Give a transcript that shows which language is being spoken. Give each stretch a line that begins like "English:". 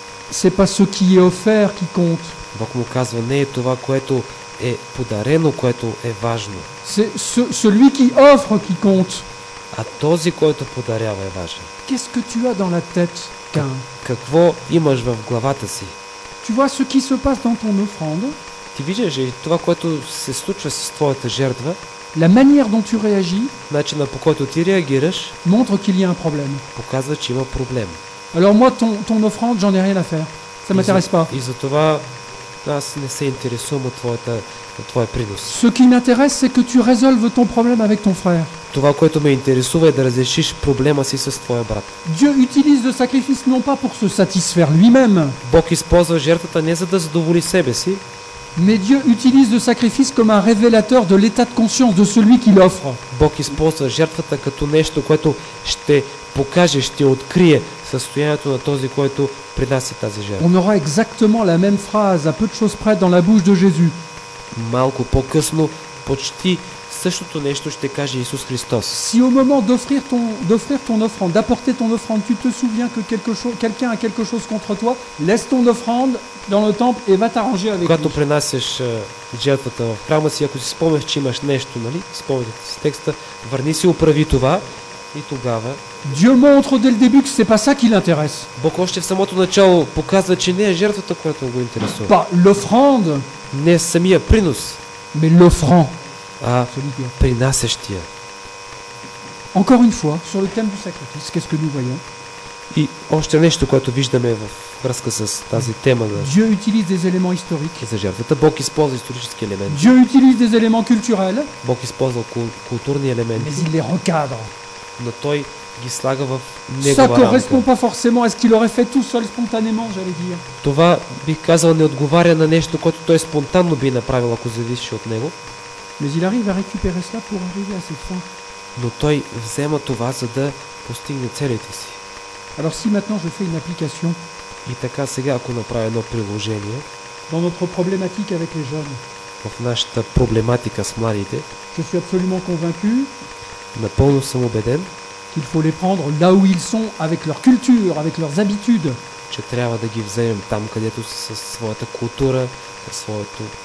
French: C'est pas ce qui est offert qui compte.
Bulgarian: Бог му казва, не е това, което е подарено, което е важно.
French: C'est celui qui offre qui compte.
Bulgarian: А този, който подарява, е важен.
French: Qu'est-ce que tu as dans la tête, Caïn?
Bulgarian: Какво имаш в главата си?
French: Tu vois ce qui se passe dans ton offrande?
Bulgarian: Ти виждаш ли това, което се случва с твоята жертва?
French: La manière dont tu réagis,
Bulgarian: начина по който ти реагираш,
French: montre qu'il y a un problème.
Bulgarian: Показва, че има проблем.
French: Alors moi ton offrande, j'en ai rien à faire. Ça m'intéresse pas.
Bulgarian: И за това аз не се интересувам от твоя принос.
French: Ce qui m'intéresse, c'est que tu résolves ton problème avec ton frère.
Bulgarian: Това, което ме интересува, е да разрешиш проблема си с твоя брат.
French: Dieu utilise le sacrifice non pas pour se satisfaire lui-même.
Bulgarian: Бог използва жертвата не за да задоволи себе си.
French: Mais Dieu utilise le sacrifice comme un révélateur de l'état de conscience de celui qui l'offre.
Bulgarian: Бог използва жертвата като нещо, което ще покаже, ще открие състоянието на този, който принася тази жертва.
French: On aura exactement la même phrase à peu de choses près dans la bouche de Jésus.
Bulgarian: Малко по-късно, почти същото нещо ще каже Исус Христос.
French: Si au moment d'offrir ton offrande, d'apporter ton offrande, tu te souviens que quelqu'un a quelque chose contre toi, laisse ton offrande dans le temple et va t'arranger avec lui.
Bulgarian: Когато принасяш жертвата в храма си, ако си спомнеш, че имаш нещо, нали? Спомнете си текста, върни си, оправи това и тогава.
French: Dieu montre dès le début que c'est pas ça qui l'intéresse.
Bulgarian: Бог още в самото начало показва, че не е жертвата, която го интересува.
French: Pas l'offrande.
Bulgarian: Не самия принос.
French: Mais l'offrand.
Bulgarian: Принасящия.
French: Encore une fois, sur le thème du sacrifice, qu'est-ce que nous voyons?
Bulgarian: И още нещо, което виждаме във връзка с тази тема.
French: Dieu utilise des éléments historiques.
Bulgarian: За жертвата. Бог използва исторически елементи.
French: Dieu utilise des éléments culturels.
Bulgarian: Бог използва културни елементи.
French: Mais il les recadre.
Bulgarian: Но той ги слага в негова рамка.
French: Ça correspond pas forcément à ce qu'il aurait fait tout seul spontanément, j'allais dire.
Bulgarian: Това, бих казал, не отговаря на нещо, което той спонтанно би направил, ако зависеше от него.
French: Mais il arrive à récupérer cela pour arriver à ses fins.
Bulgarian: Но той взема това, за да постигне целите си.
French: Alors si maintenant je fais une application.
Bulgarian: И така сега, ако направя едно приложение.
French: Dans notre problématique avec les jeunes.
Bulgarian: В нашата проблематика с младите.
French: Je suis absolument convaincu.
Bulgarian: Напълно съм убеден.
French: Qu'il faut les prendre là où ils sont, avec leur culture, avec leurs habitudes.
Bulgarian: Че трябва да ги вземем там, където са със своята култура, със своето